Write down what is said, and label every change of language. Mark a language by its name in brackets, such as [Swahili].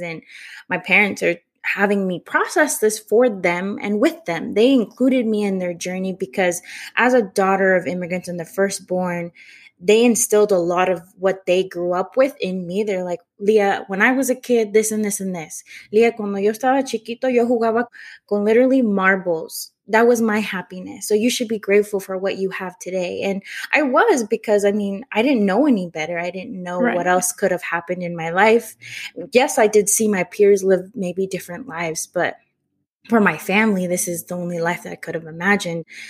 [English] And my parents are having me process this for them and with them. They included me in their journey because as a daughter of immigrants and the firstborn, they instilled a lot of what they grew up with in me. They're like, Leah, when I was a kid, this and this and this. [Spanish] Leah, cuando yo estaba chiquito, yo jugaba con [English] literally marbles. That was my happiness. So you should be grateful for what you have today. And I was, because, I mean, I didn't know any better. I didn't know what else could have happened in my life. Yes, I did see my peers live maybe different lives, but for my family, this is the only life that I could have imagined.